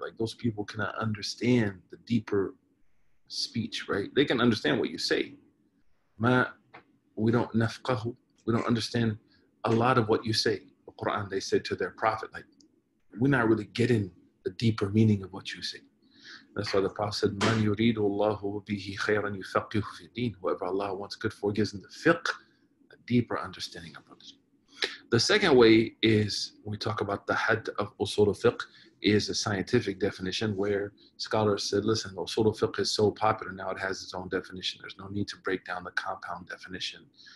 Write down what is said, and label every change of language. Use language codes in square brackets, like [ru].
[en] Like those people cannot understand the deeper speech, right? They can understand what you say. [ar] مَا [en] we don't [ar] نَفْقَهُ. [en] We don't understand a lot of what you say. The Quran, they said to their prophet, like, we're not really getting the deeper meaning of what you say. That's why the prophet said, [ar] مَنْ يُرِيدُ اللَّهُ بِهِ خَيْرًا يُفَقِّهُ فِي الدِّينِ. [en] Whoever Allah wants good for gives him the fiqh, a deeper understanding of religion. The second way is, when we talk about the had of usul al-fiqh, is a scientific definition where scholars said, listen, usul al-fiqh is so popular, now it has its own definition. There's no need to break down the compound definition